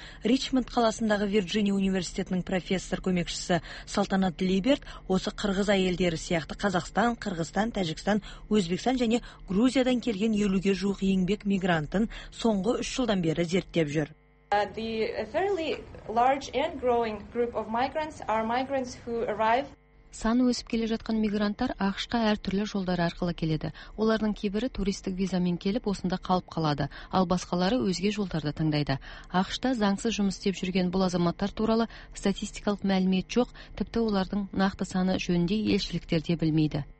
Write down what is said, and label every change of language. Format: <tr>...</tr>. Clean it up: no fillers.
<kk>Ричмонд қаласындағы Вирджиния университетінің профессор көмекшісі Салтанат Либерт осы қырғыз әйелдері сияқты Қазақстан, Қырғызстан, Тәжікстан, Өзбекстан және Грузиядан келген 50-ге жуық еңбек мигрантын соңғы 3 жылдан бері зерттеп жүр.</kk> <en>The fairly large and growing group of migrants are migrants who arrive.</en> <kk>Саны өсіп келе жатқан мигранттар АҚШ-қа әртүрлі жолдар арқылы келеді. Олардың кейбірі туристік визамен келіп, осында қалып қалады, ал басқалары өзге жолдарды таңдайды. АҚШ-та заңсыз жұмыс істеп жүрген бұл азаматтар туралы статистикалық мәлімет жоқ, тіпті олардың нақты саны жөнінде елшіліктерде білмейді.</kk>